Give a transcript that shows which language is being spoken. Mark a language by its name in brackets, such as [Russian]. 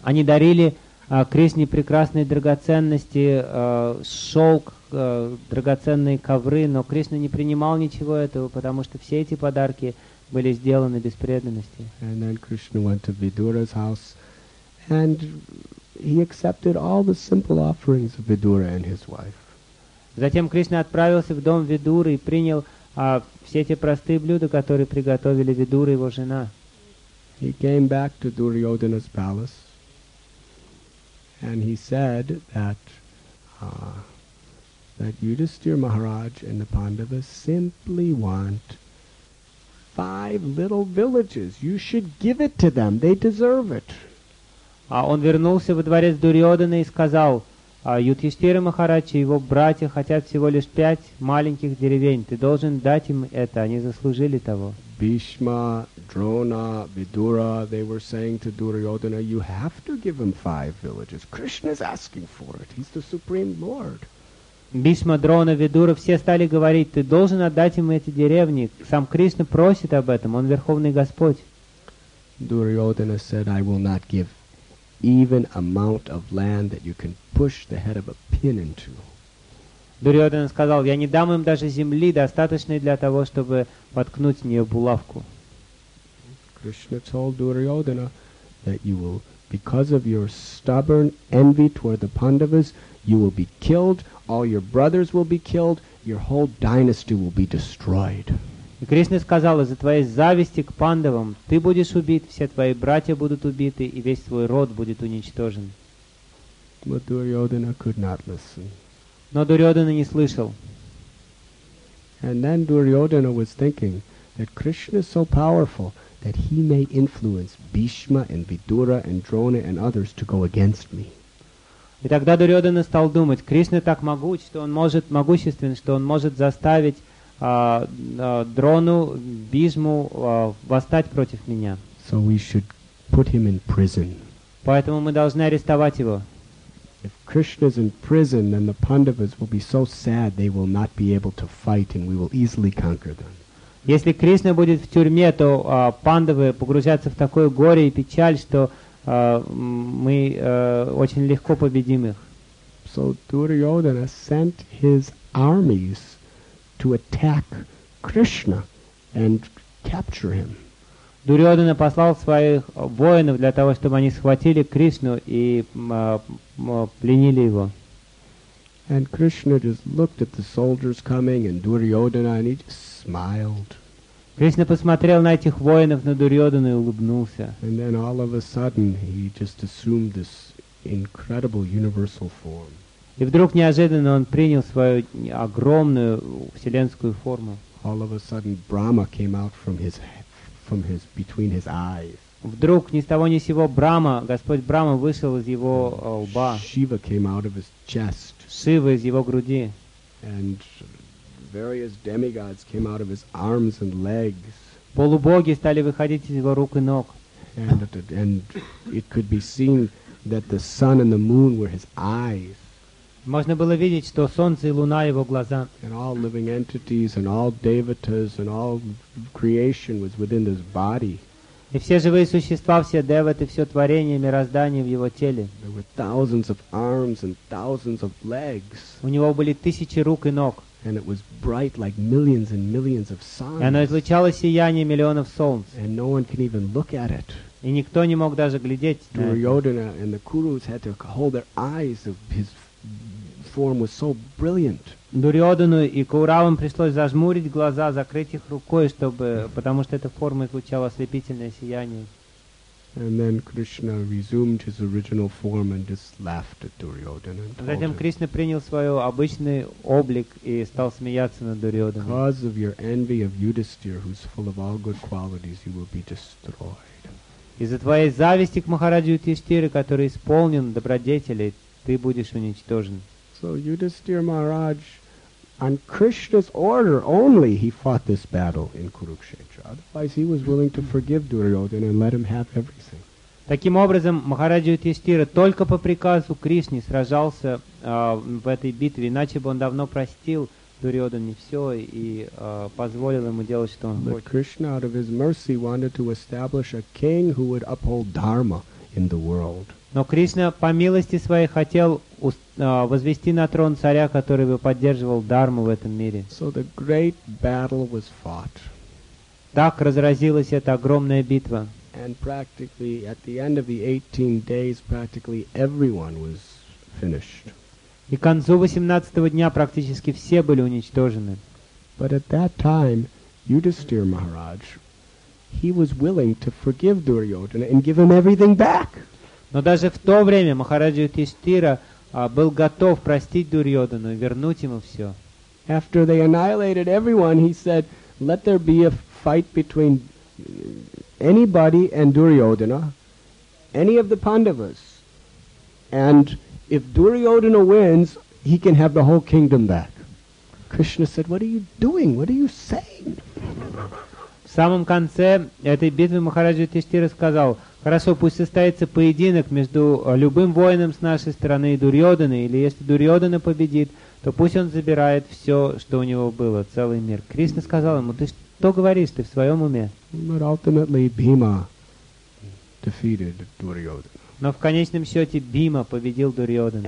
[Russian] Они дарили Кришне прекрасные драгоценности, шелк, драгоценные ковры, но Кришна не принимал ничего этого, потому что все эти подарки были сделаны без преданности. [English] And then Krishna went to Vidura's house, and he accepted all the simple offerings of Vidura and his wife. [Russian] Затем Кришна отправился в дом Видуры и принял все те простые блюда, которые приготовили Видура и его жена. [English] He came back to Duryodhana's palace, and he said that that Yudhisthira Maharaj and the Pandavas simply want 5 little villages. You should give it to them. They deserve it. [Russian] А он вернулся во дворец Дурьодхана и сказал, Юдхиштхира Махарадж и его братья хотят всего лишь 5 маленьких деревень. Ты должен дать им это, они заслужили того. [English] Бишма, Дрона, Видура, they were saying to Duryodhana, you have to give him 5 villages. Krishna is asking for it. He's the Supreme Lord. [Russian] Бишма, Дрона, Видура, все стали говорить, ты должен отдать им эти деревни. Сам Кришна просит об этом, он Верховный Господь. [English] Duryodhana said, I will not give even amount of land that you can push the head of a pin into. [Russian] Дурьодхана сказал, я не дам им даже земли, достаточной для того, чтобы воткнуть в нее булавку. [English] Krishna told Duryodhana that you will, because of your stubborn envy toward the Pandavas, you will be killed, all your brothers will be killed, your whole dynasty will be destroyed. [Russian] И Кришна сказал, из-за твоей зависти к пандавам ты будешь убит, все твои братья будут убиты, и весь твой род будет уничтожен. [English] But Duryodhana could not listen. [Russian] Но Дурьодхана не слышал. [English] And then Duryodhana was thinking that Krishna is so powerful that he may influence Bhishma and Vidura and Drona and others to go against me. [Russian] И тогда Дурьодхана стал думать, Кришна так могуч, что он может, могущественен, что он может заставить Дрону, Бхишму восстать против меня. [English] So we should put him in prison. [Russian] Поэтому мы должны арестовать его. [English] If Krishna is in prison, then the Pandavas will be so sad they will not be able to fight, and we will easily conquer them. [Russian] Если Кришна будет в тюрьме, то Пандавы погрузятся в такое горе и печаль, что мы очень легко победим их. [English] So Duryodhana sent his armies to attack Krishna and capture him. [Russian] Дурьодхана послал своих воинов для того, чтобы они схватили Кришну и пленили его. [English] And Krishna just looked at the soldiers coming and Duryodhana and he just smiled. [Russian] Кришна посмотрел на этих воинов, на Дурьодхану и улыбнулся. [English] And then all of a sudden he just assumed this incredible universal form. [Russian] И вдруг неожиданно он принял свою огромную вселенскую форму. [English] All of a sudden Brahma came out from his between his eyes. [Russian] Вдруг ни с того ни с сего Брама, Господь Брама вышел из его лба. [English] Shiva came out of his chest. [Russian] Шива из его груди. [English] And various demigods came out of his arms and legs. [Russian] Полубоги стали выходить из его рук и ног. [English] And it could be seen that the sun and the moon were his eyes. [Russian] Можно было видеть, что солнце и луна его глаза. [English] And all living entities and all devatas and all creation was within this body. [Russian] И все живые существа, все деваты, все творение, мироздание в его теле. [English] There were thousands of arms and thousands of legs. [Russian] У него были тысячи рук и ног. [English] And it was bright like millions and millions of suns. [Russian] И оно излучало сияние миллионов солнц. [English] And no one can even look at it. [Russian] И никто не мог даже глядеть на это. [English] Duryodhana and the Kurus had to hold their eyes of his form was so brilliant. [Russian] Дурьодхану и Кауравам пришлось зажмурить глаза, закрыть их рукой, чтобы, потому что эта форма излучала ослепительное сияние. [English] And then Krishna resumed his original form and just laughed at Duryodhana. [Russian] Затем Кришна принял свой обычный облик и стал смеяться над Дурьодханой. [English] Because of your envy of Yudhisthira, who's full of all good qualities, you will be destroyed. [Russian] Из-за твоей зависти к Махараджу Юдхиштхире, который исполнен добродетелей, ты будешь уничтожен. [English] So Yudhisthira Maharaj, on Krishna's order only, he fought this battle in Kurukshetra. Otherwise, he was willing to forgive Duryodhana and let him have everything. [Russian] Таким образом, Махараджа Юдхиштхира только по приказу Кришны сражался в этой битве, иначе бы он давно простил Дурьодхане все и позволил ему делать, что он хочет. [English] But Krishna, out of his mercy, wanted to establish a king who would uphold dharma in the world. [Russian] Но Кришна по милости своей хотел возвести на трон царя, который бы поддерживал дхарму в этом мире. [English] So the great battle was fought. [Russian] Так разразилась эта огромная битва. [English] And practically at the end of the 18 days, practically everyone was finished. [Russian] И к концу 18-го дня практически все были уничтожены. [English] But at that time, Yudhisthira Maharaj, he was willing to forgive Duryodhana and give him everything back. [Russian] Но даже в то время Махараджа Юдхиштхира был готов простить Дурьодхану и вернуть ему все. [English] After they annihilated everyone, he said, "Let there be a fight between anybody and Duryodhana, any of the Pandavas, and if Duryodhana wins, he can have the whole kingdom back." Krishna said, "What are you doing? What are you saying?" [Russian] В самом конце этой битвы Махараджа Юдхиштхира сказал: хорошо, пусть состоится поединок между любым воином с нашей стороны и Дурьодханой, или если Дурьодхана победит, то пусть он забирает все, что у него было, целый мир. Кришна сказал ему: ты что говоришь, ты в своем уме? [English] But ultimately Bhima defeated Duryodhana. [Russian] Но в конечном счете Бхима победил Дурьодхану.